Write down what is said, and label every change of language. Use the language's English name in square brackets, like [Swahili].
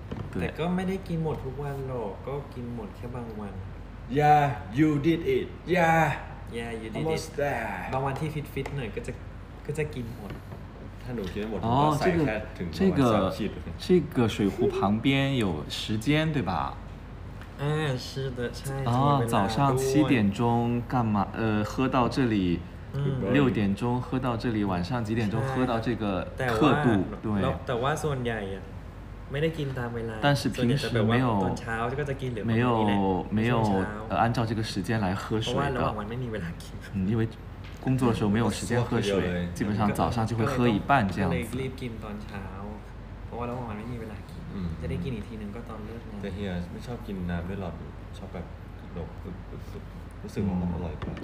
[Thai] แต่ก็ไม่ได้กินหมดทุกวันหรอกก็กินหมดแค่บางวัน [English] Yeah you did it Yeah you did it Almost there [Thai] บางวันที่ฟิตหน่อยก็จะกินหมด ถ้าหนูกินหมดก็ใส่แค่ถึงประมาณ30 [Chinese] 这个水壶旁边有时间对吧是的，早上7点钟干嘛？喝到这里，六点钟喝到这里，晚上几点钟喝到这个刻度，对。 [Thai] แต่ว่าส่วนใหญ่อ่ะไม่ได้กินตามเวลา [Chinese] 但是平时没有 [Thai] ตอนเช้าก็จะกินหรือ ไม่ [Chinese] 没有按照这个时间来喝水的。 [Thai] เพราะว่าระหว่างวันไม่มีเวลากิน [Chinese] 因为工作的时候没有时间喝水，基本上早上就会喝一半这样子。 [Thai] ก็เลยรีบกินตอนเช้าเพราะว่าระหว่างวันไม่มีเวลากินจะได้กินอีกทีนึงก็ตอนเลิกงาน แต่เฮียไม่ชอบกินน้ำด้วยหรอชอบแบบหลบรู้สึกว่ามันอร่อยกว่า